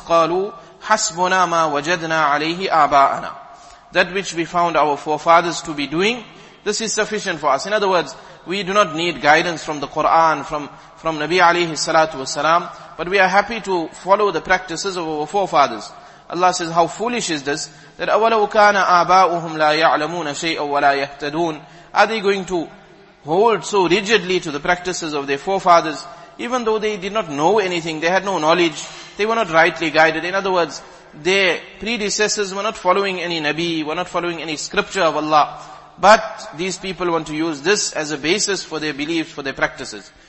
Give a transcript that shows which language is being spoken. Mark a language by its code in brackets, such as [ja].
[ar] قَالُوا حَسْبُنَا مَا وَجَدْنَا عَلَيْهِ آبَاءَنَا. [en] That which we found our forefathers to be doing, this is sufficient for us. In other words, we do not need guidance from the Quran, from Nabi alayhi salatu wasalam, but we are happy to follow the practices of our forefathers. Allah says, how foolish is this, that [ar] أَوَلَوْ كَانَ آبَاؤُهُمْ لَا يَعْلَمُونَ شَيْئًا وَلَا يَهْتَدُونَ. [en] Are they going to hold so rigidly to the practices of their forefathers, even though they did not know anything, they had no knowledge, they were not rightly guided? In other words, their predecessors were not following any Nabi, were not following any scripture of Allah. But these people want to use this as a basis for their beliefs, for their practices.